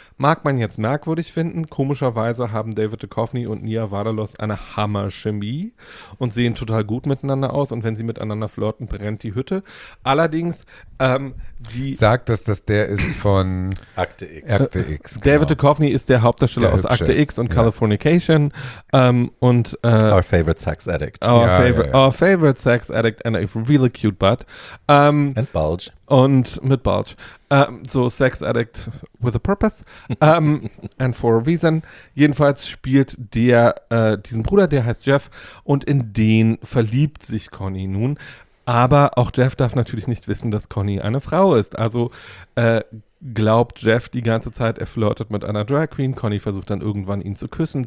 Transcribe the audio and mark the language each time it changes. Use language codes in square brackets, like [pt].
[de] Mag man jetzt merkwürdig finden, komischerweise haben David Duchovny und Nia Vardalos eine Hammer-Chemie und sehen total gut miteinander aus, und wenn sie miteinander flirten, brennt die Hütte. Allerdings, sagt, dass das der ist von Akte X. Genau. David Duchovny ist der Hauptdarsteller aus Akte X und Californication. [en] Our favorite sex addict. Our favorite sex addict and a really cute butt. And Bulge. [de] Und mit Bulge. [en] So, Sex Addict with a Purpose and for a Reason. [de] Jedenfalls spielt der diesen Bruder, der heißt Jeff, und in den verliebt sich Conny nun. Aber auch Jeff darf natürlich nicht wissen, dass Conny eine Frau ist. Also glaubt Jeff die ganze Zeit, er flirtet mit einer Drag Queen. Conny versucht dann irgendwann, ihn zu küssen.